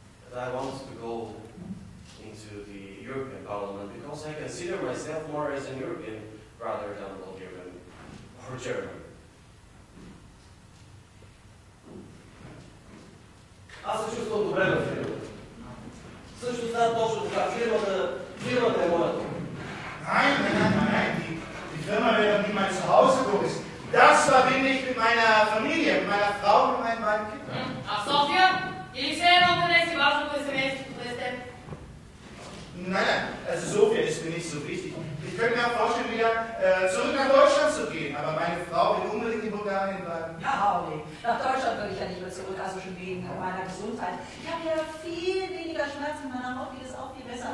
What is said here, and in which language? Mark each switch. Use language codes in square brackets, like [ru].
[en] But I want to go into the European Parliament because I consider myself more as an European rather than Bulgarian or German. [bg] Аз се чувствам добре на фирмата. Също знам точно така. Фирмата е моята. [de] Nein, nein, nein, nein. Die Firma wird auch nie mein Zuhause groß. Das verbinde ich mit meiner Familie, mit meiner Frau und meinen beiden Kindern. [bg] А в София? Или все едно къде си важно кое семейство сте? [de] Nein, also София ist mir nicht so wichtig. Ich könnte mir auch vorstellen, wieder zurück nach Deutschland zu gehen, aber meine Frau will unbedingt in Bulgarien bleiben. Ja, Hauli, nach Deutschland würde ich ja nicht mehr zurück, also schon wegen meiner Gesundheit. Ich habe ja viel weniger Schmerzen in meiner Haut, geht es auch viel besser.